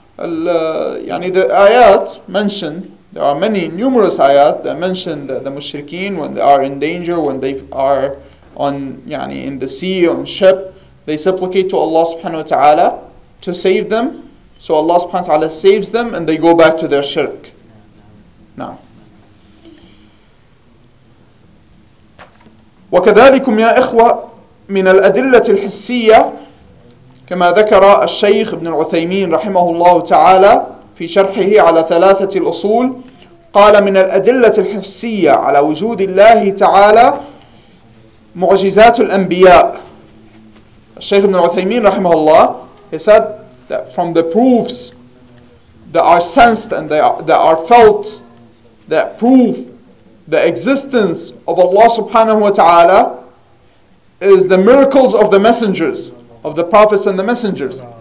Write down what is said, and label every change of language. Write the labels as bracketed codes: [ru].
[ar] يعني [en] the آيات mentioned, there are many numerous آيات that mention the مشركين when they are in danger, when they are on يعني in the sea, on ship, they supplicate to Allah [ar] سبحانه وتعالى [en] to save them. So Allah [ar] سبحانه وتعالى [en] saves them and they go back to their shirk. [ar] نعم. وكذلكم يا إخوة من الأدلة الحسية كما ذكر الشيخ ابن العثيمين رحمه الله تعالى في شرحه على ثلاثة الأصول، قال من الأدلة الحسية على وجود الله تعالى معجزات الأنبياء. [en] الشيخ ابن العثيمين [ar] رحمه الله [en] he said that from the proofs that are sensed and that are felt that prove the existence of Allah subhanahu wa ta'ala is the miracles of the messengers, of the prophets and the messengers.